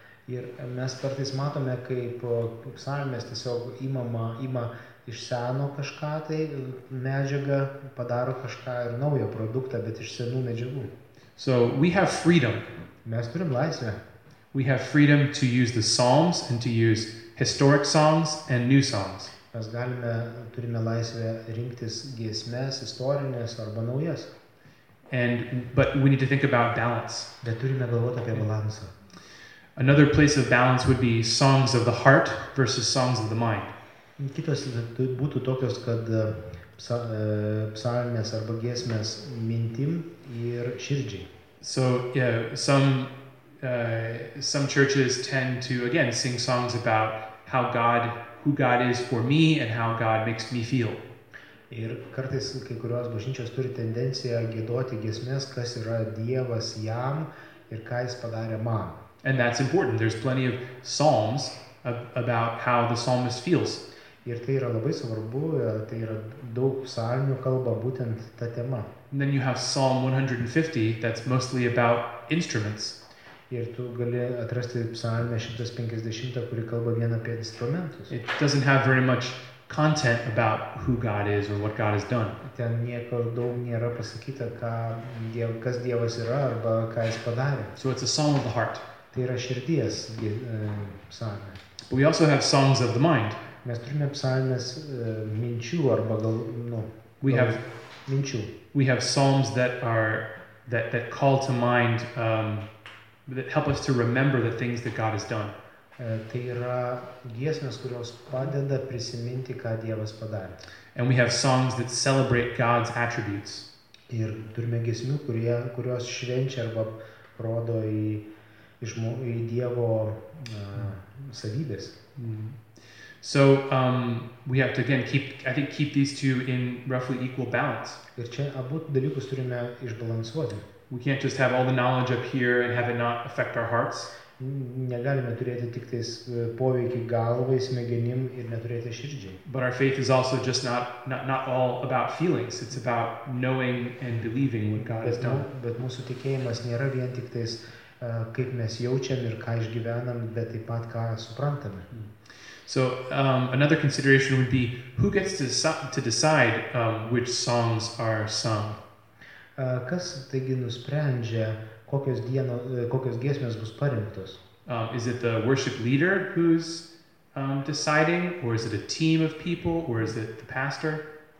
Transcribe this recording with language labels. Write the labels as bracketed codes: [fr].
[lt] Ir mes kartais matome, kaip psalmės tiesiog ima iš seno kažką tai medžiagą, padaro kažką ir naują produktą, bet iš senų medžiagų. [en] So we have freedom. [lt] Mes turim laisvę. [en] We have freedom to use the psalms and to use historic songs and new songs. [lt] Mes turime laisvę rinktis giesmes, istorines arba naujas. [en] But we need to think about balance. [lt] Bet turime galvoti apie balansą. [en] Another place of balance would be songs of the heart versus songs of the mind. [lt] Kitos būtų tokios, kad psalmės arba giesmės mintim ir širdžiai. [en] So some churches tend to again sing songs about who God is for me and how God makes me feel. [lt] Ir kartais kai kurios bažnyčios turi tendenciją giedoti giesmes, kas yra Dievas jam ir ką jis padarė man. [en] And that's important. There's plenty of psalms about how the psalmist feels. [lt] Ir tai yra labai svarbu, tai yra daug psalmių kalba būtent ta tema. [en] And then you have Psalm 150 that's mostly about instruments. [lt] Ir tu gali atrasti psalmę 150, kuri kalba vien apie instrumentus. [en] It doesn't have very much content about who God is or what God has done. [lt] Ten nieko daug nėra pasakyta, kas Dievas yra arba ką jis padarė. [en] So it's a psalm of the heart. [lt] Tai yra širdies psalmė. [en] But we also have songs of the mind. [lt] Mes turime psalmes minčių arba gal, nu, [en] we have [lt] minčių. [en] We have psalms that are that call to mind that help us to remember the things that God has done. [lt] Tai yra giesmės, kurios padeda prisiminti, ką Dievas padarė. [en] And we have songs that celebrate God's attributes. [lt] Ir turime giesmių, kurios švenčia arba rodo į Dievo savybės. [en] So we have to again keep these two in roughly equal balance. [lt] Ir čia abu dalykus turime išbalansuoti. [en] We can't just have all the knowledge up here and have it not affect our hearts. [lt] Negalime turėti tik tais poveikį galvai, smegenim ir neturėti širdžiai. [en] But our faith is also just not all about feelings. It's about knowing and believing what God has done. [lt] Bet mūsų tikėjimas nėra vien tik tais kaip mes jaučiam ir ką išgyvenam, bet taip pat ką suprantame. [en] So another consideration would be who gets to decide which songs are sung. [lt] Kas taigi nusprendžia, kokios giesmės bus parinktos? [en] Is it the worship leader who's deciding, or is it a team of people, or is it the pastor?